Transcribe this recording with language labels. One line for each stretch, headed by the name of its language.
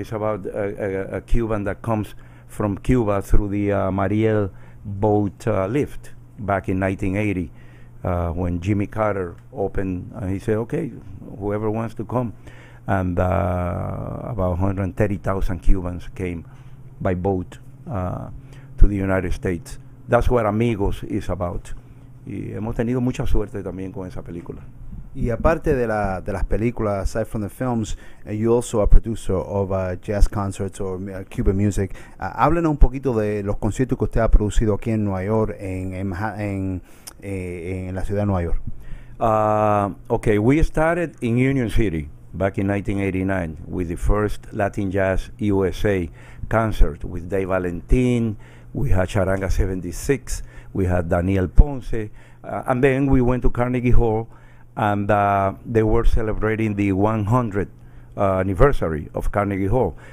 English: It's about a Cuban that comes from Cuba through the Mariel boat lift back in 1980, when Jimmy Carter opened, and he said, okay, whoever wants to come. And about 130,000 Cubans came by boat to the United States. That's what Amigos is about.
Spanish: Y hemos tenido mucha suerte también con esa película. Y aparte de las películas,
English: aside from the films, you also a producer of jazz concerts or Cuban music.
Spanish: Háblenos un poquito de los conciertos que usted ha producido aquí en Nueva York, en la ciudad de Nueva York.
English: Okay, we started in Union City back in 1989 with the first Latin Jazz USA concert with Dave Valentin. We had Charanga 76, we had Daniel Ponce, and then we went to Carnegie Hall, and they were celebrating the 100th anniversary of Carnegie Hall.